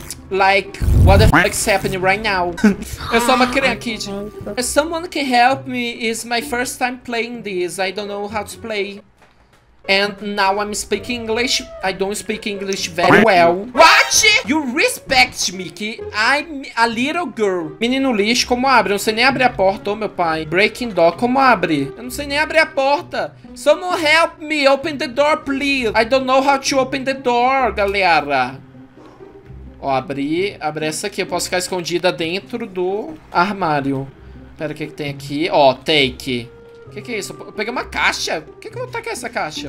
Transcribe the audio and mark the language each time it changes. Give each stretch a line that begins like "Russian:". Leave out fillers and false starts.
English: Like, what the fuck is happening right now?
Portuguese: Eu sou uma criança,
English: kid. Someone can help me, it's my first time playing this, I don't know how to play. And now I'm speaking English. I don't speak English very well. What? You respect me, que I'm a little girl.
Portuguese: Menino lixo, como abre? Eu não sei nem abrir a porta, meu pai.
English: Breaking door,
Portuguese: como abre? Eu não sei nem abrir a porta.
English: Someone help me, open the door, please. I don't know how to open the door, galera.
Portuguese: Ó, abri essa aqui. Eu posso ficar escondida dentro do armário. Pera, o que que tem aqui? Ó, take. Que é isso? Eu peguei uma caixa? O que que eu vou tacar essa caixa?